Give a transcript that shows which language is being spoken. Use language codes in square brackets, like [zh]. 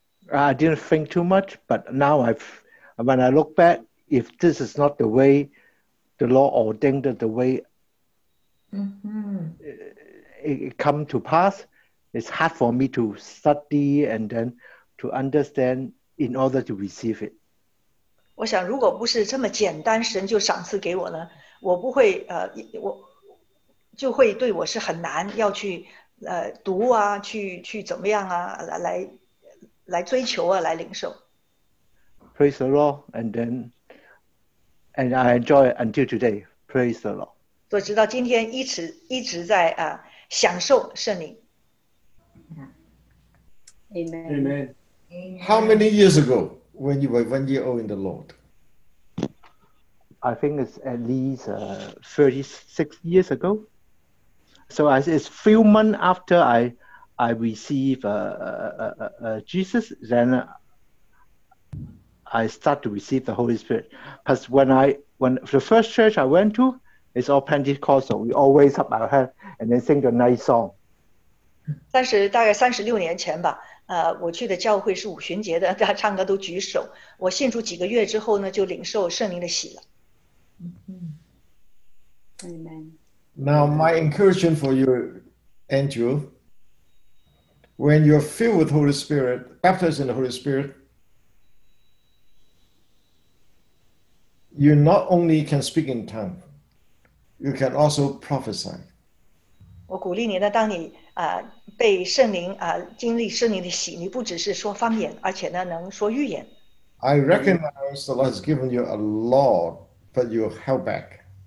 [en] I didn't think too much, but now when I look back, if this is not the way the law ordained, the way it come to pass, it's hard for me to study and then to understand in order to receive it. [zh] 我想如果不是这么简单，神就赏赐给我呢，我不会，我就会对我是很难要去读啊，去怎么样啊，来追求啊，来领受。 [en] Praise the Lord, and I enjoy it until today. Praise the Lord. [zh] 我直到今天一直在享受圣灵。 [en] Amen. Amen. How many years ago when you were 1 year old in the Lord? I think it's at least 36 years ago. So it's a few months after I receive Jesus, then I start to receive the Holy Spirit. Because when the first church I went to, it's all Pentecostal. We all raise up our hand and then sing a nice song. [zh] 大概36年前吧，我去的教会是五旬节的，大家唱歌都举手。我信主几个月之后呢，就领受圣灵的洗了。 [en] Amen. Now, my encouragement for you, Andrew, when you're filled with Holy Spirit, baptized in the Holy Spirit, you not only can speak in tongues, you can also prophesy. [zh] 我鼓励你呢，当你被圣灵经历圣灵的洗，你不只是说方言，而且呢能说预言。 [en] I recognize the Lord has given you a lot, but you held back.